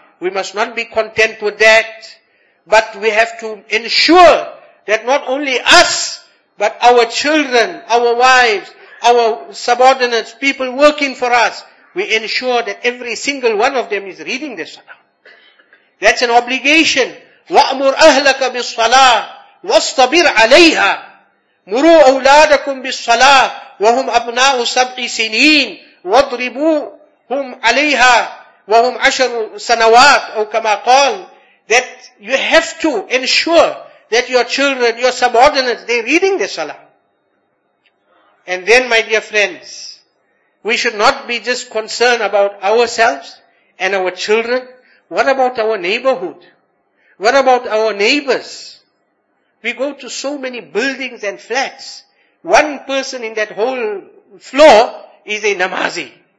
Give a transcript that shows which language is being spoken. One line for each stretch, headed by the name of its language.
English: We must not be content with that. But we have to ensure that not only us, but our children, our wives, our subordinates, people working for us, we ensure that every single one of them is reading their salah. That's an obligation.
Arabic: وَأْمُرْ أَهْلَكَ بِالصَّلَاةِ وَاصْطَبِرْ عَلَيْهَا مُرُوا أَوْلَادَكُمْ بِالصَّلَاةِ وَهُمْ أَبْنَاءُ سَبْعِ سِنِينَ وَاضْرِبُوهُمْ عَلَيْهَا وَهُمْ عَشَرُ سَنَوَاتٍ أو كما قال,
English: that you have to ensure that your children, your subordinates, they're reading the salah. And then, my dear friends, we should not be just concerned about ourselves and our children. What about our neighborhood? What about our neighbors? We go to so many buildings and flats. One person in that whole floor is a namazi.